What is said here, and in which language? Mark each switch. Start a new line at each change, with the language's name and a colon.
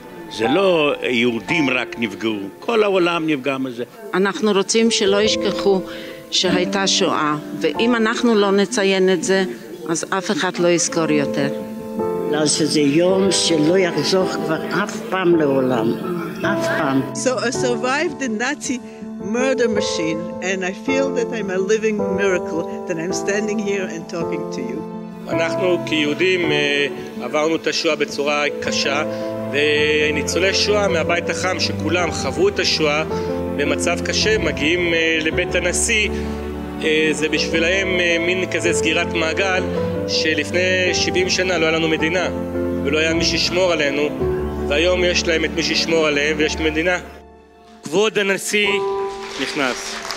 Hebrew: זה לא יהודים רק נפגעו, כל העולם נפגע מזה. אנחנו רוצים שלא ישכחו שהייתה שואה, ואם אנחנו לא נציין את זה, אז אף אחד לא יזכור יותר. אז זה יום שלא יחזור כבר אף פעם לעולם, אף פעם.
English: So I survived the Nazi murder machine, and I feel that I'm a living miracle, that I'm standing here and talking to you.
Hebrew: אנחנו כיהודים עברנו את השואה בצורה קשה וניצולי שואה מהבית החם שכולם חוו את השואה במצב קשה מגיעים לבית הנשיא זה בשבילהם מין כזה סגירת מעגל שלפני 70 שנה לא היה לנו מדינה ולא היה מי ששמור עלינו והיום יש להם את מי ששמור עליהם ויש מדינה כבוד הנשיא נכנס